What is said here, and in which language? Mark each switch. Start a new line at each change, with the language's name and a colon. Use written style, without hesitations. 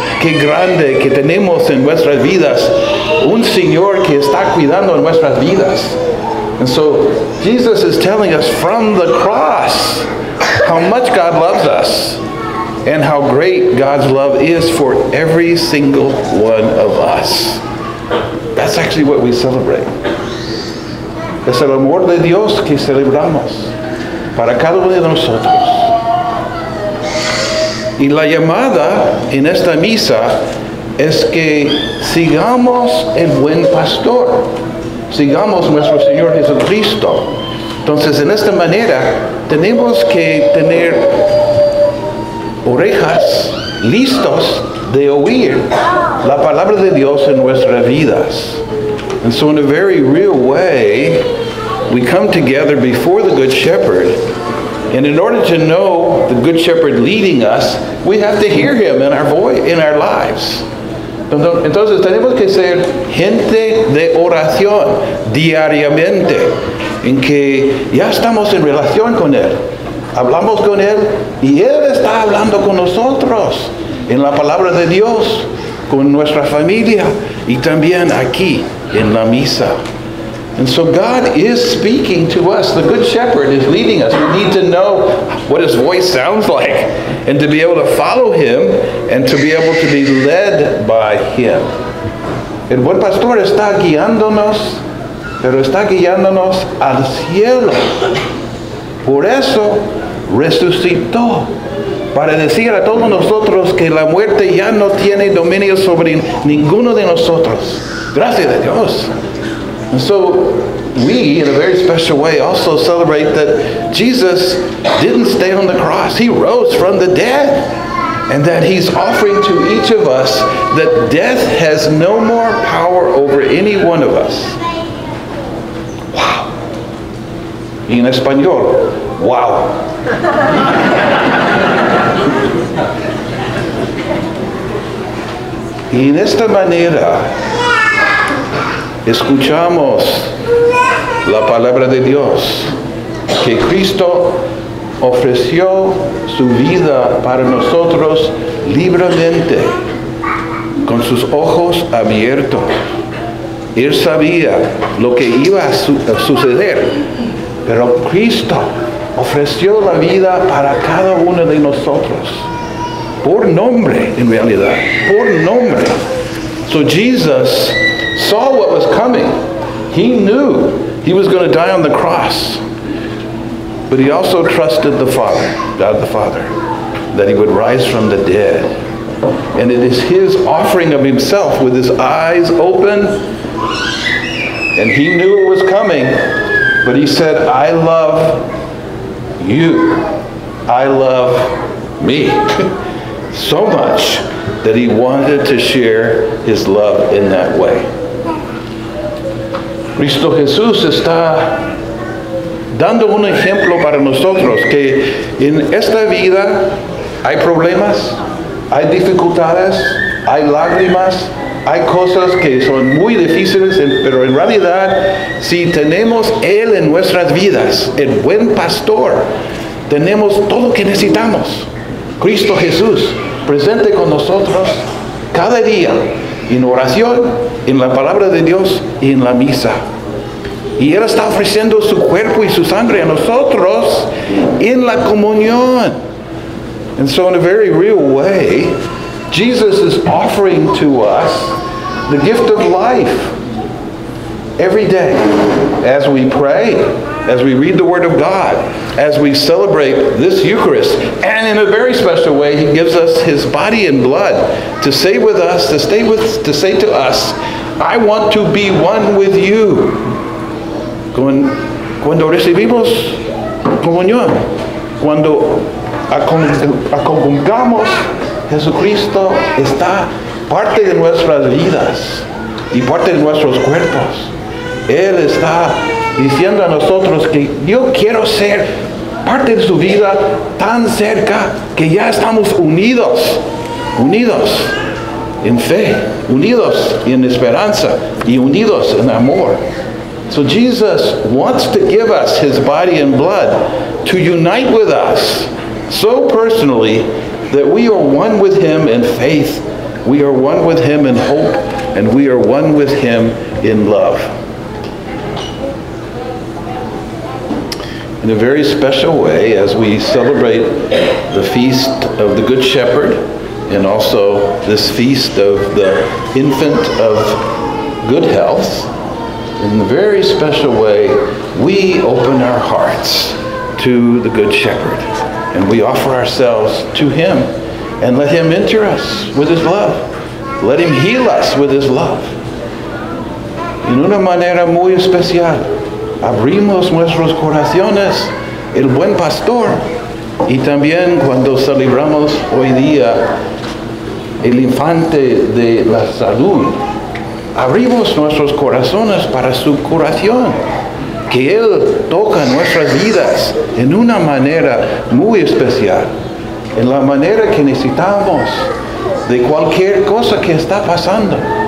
Spanish: Qué grande que tenemos en nuestras vidas un Señor que está cuidando nuestras vidas.
English: And so Jesus is telling us from the cross how much God loves us and how great God's love is for every single one of us. That's actually what we celebrate.
Spanish: Es el amor de Dios que celebramos para cada uno de nosotros. Y la llamada en esta misa es que sigamos el buen pastor. Sigamos nuestro Señor Jesucristo. Entonces, en esta manera, tenemos que tener orejas listos de oír la palabra de Dios en nuestras vidas.
English: And so in a very real way, we come together before the Good Shepherd. And in order to know the Good Shepherd leading us, we have to hear him in our voice, in our lives.
Spanish: Entonces tenemos que ser gente de oración diariamente, en que ya estamos en relación con él. Hablamos con él y él está hablando con nosotros en la palabra de Dios, con nuestra familia y también aquí en la misa.
English: And so God is speaking to us. The Good Shepherd is leading us. We need to know what his voice sounds like and to be able to follow him and to be able to be led by him.
Spanish: El buen pastor está guiándonos, pero está guiándonos al cielo. Por eso resucitó, para decir a todos nosotros que la muerte ya no tiene dominio sobre ninguno de nosotros. Gracias a Dios.
English: And so we, in a very special way, also celebrate that Jesus didn't stay on the cross. He rose from the dead. And that he's offering to each of us that death has no more power over any one of us.
Spanish: Wow. Y en español, wow. Y en esta manera, escuchamos la palabra de Dios, que Cristo ofreció su vida para nosotros libremente, con sus ojos abiertos. Él sabía lo que iba a suceder, pero Cristo ofreció la vida para cada uno de nosotros, por nombre, en realidad, por nombre.
English: So Jesus saw what was coming. He knew he was going to die on the cross. But he also trusted the Father, God the Father, that he would rise from the dead. And it is his offering of himself with his eyes open. And he knew it was coming. But he said, I love you. I love me. So much that he wanted to share his love in that way.
Spanish: Cristo Jesús está dando un ejemplo para nosotros que en esta vida hay problemas, hay dificultades, hay lágrimas, hay cosas que son muy difíciles, pero en realidad si tenemos Él en nuestras vidas, el buen pastor, tenemos todo lo que necesitamos. Cristo Jesús presente con nosotros cada día en oración, en la palabra de Dios y en la misa. Y Él está ofreciendo su cuerpo y su sangre a nosotros en la comunión.
English: And so in a very real way, Jesus is offering to us the gift of life every day as we pray, as we read the Word of God, as we celebrate this Eucharist. And in a very special way, he gives us his body and blood to say with us, to say to us, I want to be one with you.
Spanish: Cuando recibimos comunión, cuando acongamos, Jesucristo está parte de nuestras vidas y parte de nuestros cuerpos. Él está diciendo a nosotros que yo quiero ser parte de su vida tan cerca que ya estamos unidos, unidos en fe, unidos en esperanza y unidos en amor.
English: So Jesus wants to give us his body and blood to unite with us so personally that we are one with him in faith, we are one with him in hope, and we are one with him in love. In a very special way, as we celebrate the feast of the Good Shepherd and also this feast of the infant of good health, in a very special way, we open our hearts to the Good Shepherd and we offer ourselves to him and let him enter us with his love. Let him heal us with his love.
Spanish: En una manera muy especial, abrimos nuestros corazones, el buen pastor, y también cuando celebramos hoy día el infante de la salud, abrimos nuestros corazones para su curación, que Él toca nuestras vidas en una manera muy especial, en la manera que necesitamos de cualquier cosa que está pasando.